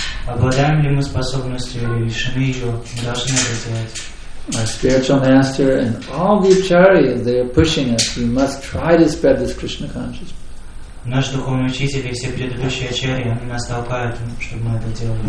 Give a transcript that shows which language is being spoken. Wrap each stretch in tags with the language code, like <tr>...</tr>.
<ru>Обладаем ли мы способностью или лишены ее, мы должны это делать.</ru> <en>Our spiritual master and all the acharyas, they are pushing us. We must try to spread this Krishna consciousness.</en> <ru>Наш духовный учитель и все предыдущие ачарьи нас толкают, чтобы мы это делали.</ru>